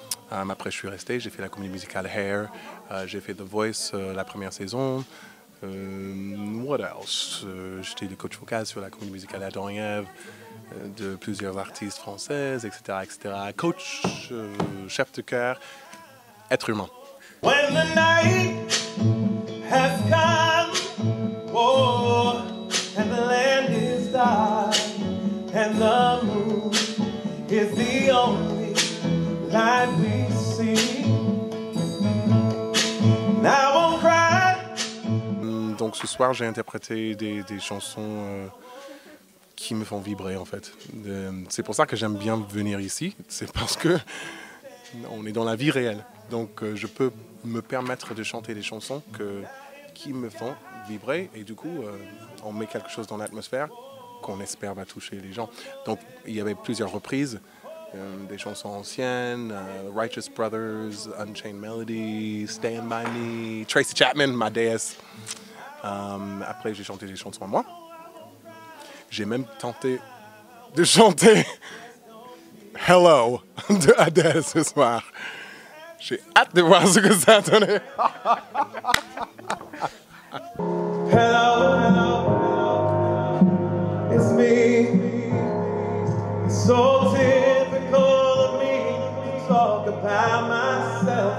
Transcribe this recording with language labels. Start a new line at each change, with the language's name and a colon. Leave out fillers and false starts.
French: Après je suis resté, j'ai fait la comédie musicale Hair, j'ai fait The Voice la première saison.
English: What else?
French: J'étais le coach vocal sur la comédie musicale Adam et Ève, de plusieurs artistes françaises, etc., etc. Coach, chef de cœur, être humain.
English: When the night has come, oh, and the land is dark, and the moon is the only light we see. Now I'm
French: Donc ce soir, j'ai interprété des chansons qui me font vibrer, en fait. C'est pour ça que j'aime bien venir ici. C'est parce qu'on est dans la vie réelle. Donc je peux me permettre de chanter des chansons qui me font vibrer. Et du coup, on met quelque chose dans l'atmosphère qu'on espère va toucher les gens. Donc il y avait plusieurs reprises. Des chansons anciennes, Righteous Brothers, Unchained Melody, Stand By Me, Tracy Chapman, My Deesse. Après, j'ai chanté des chansons à moi. J'ai même tenté de chanter Hello de Adèle ce soir. J'ai hâte de voir ce que ça a donné.
English: Hello, hello, hello, it's me. It's so typical of me to talk about myself.